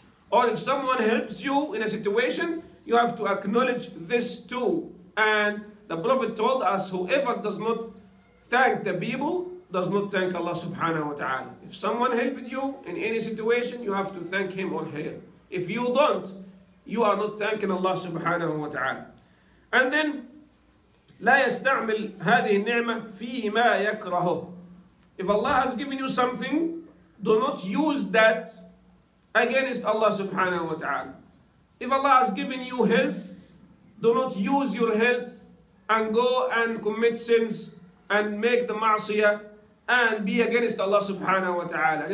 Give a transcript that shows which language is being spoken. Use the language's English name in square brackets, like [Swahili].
[English] Or if someone helps you in a situation, you have to acknowledge this too. And the Prophet told us, whoever does not thank the people, does not thank Allah subhanahu wa ta'ala. If someone helped you in any situation, you have to thank him or her. If you don't, you are not thanking Allah subhanahu wa ta'ala. And then, [Arabic] لا يستعمل هذه النعمة فيما يكره. [English] If Allah has given you something, do not use that against Allah subhanahu wa ta'ala. If Allah has given you health, do not use your health and go and commit sins and make the ma'asiyah and be against Allah subhanahu wa ta'ala.